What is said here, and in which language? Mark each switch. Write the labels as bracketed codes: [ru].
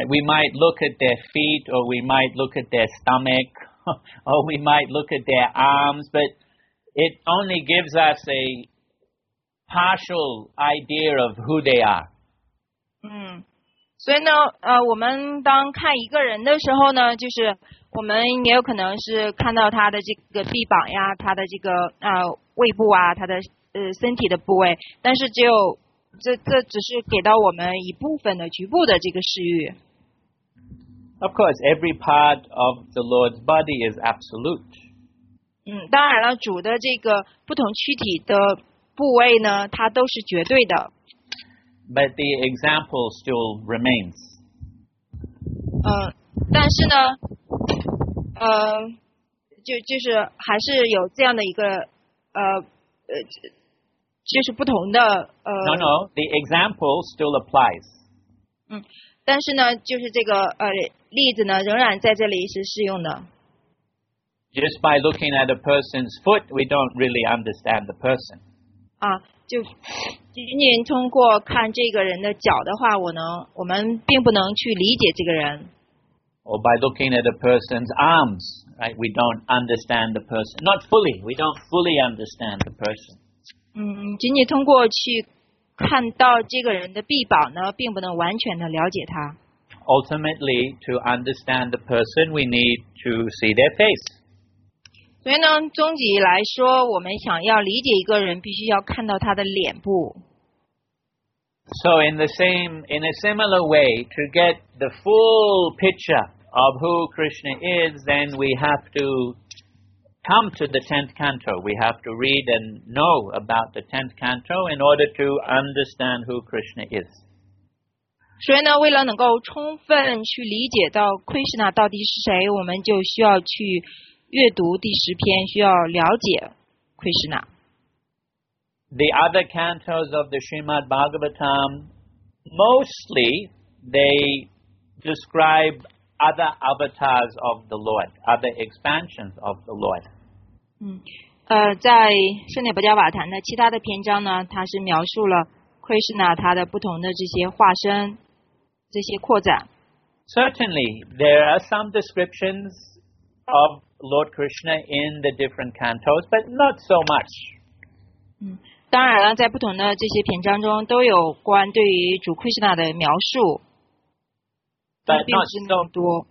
[en] We might look at their feet, or we might look at their stomach, or we might look at their arms, but it only gives us a partial idea of who they are. [zh] 所以呢，我们当看一个人的时候呢，就是我们也有可能是看到他的这个臂膀呀，他的这个胃部啊，他的身体的部位，但是只有这只是给到我们一部分的局部的这个视域。 [en] Of course, every part of the Lord's body is absolute. [zh] 当然了，主的这个不同躯体的部位呢，它都是绝对的。 [en] But the example still remains. [zh] 但是呢，就是还是有这样的一个就是不同的 [en] No, the example still applies. [zh] 但是呢，就是这个例子呢，仍然在这里是适用的。 [en] Just by looking at a person's foot, we don't really understand the person. [zh] 就仅仅通过看这个人的脚的话，我们并不能去理解这个人。 [en] Or by looking at a person's arms, right? We don't understand the person. Not fully. We don't fully understand the person. [zh] 仅仅通过去看到这个人的臂膀呢，并不能完全的了解他。 [en] Ultimately, to understand the person, we need to see their face. [zh] 所以呢，终极来说，我们想要理解一个人，必须要看到他的脸部。 [en] So in a similar way, to get the full picture of who Krishna is, then we have to come to the 10th canto. We have to read and know about the 10th canto in order to understand who Krishna is. [zh] 所以呢，为了能够充分去理解到 Krishna 到底是谁，我们就需要去阅读第十篇，需要了解 Krishna。 [en] The other cantos of the Srimad Bhagavatam, mostly they describe other avatars of the Lord, other expansions of the Lord. [zh] 在圣涅不加瓦坛的其他的篇章呢，它是描述了 Krishna 他的不同的这些化身，这些扩展。 [en] Certainly, there are some descriptions of Lord Krishna in the different cantos, but not so much. [zh] 当然了，在不同的这些篇章中都有关对于主 Krishna 的描述，但并不是那么多。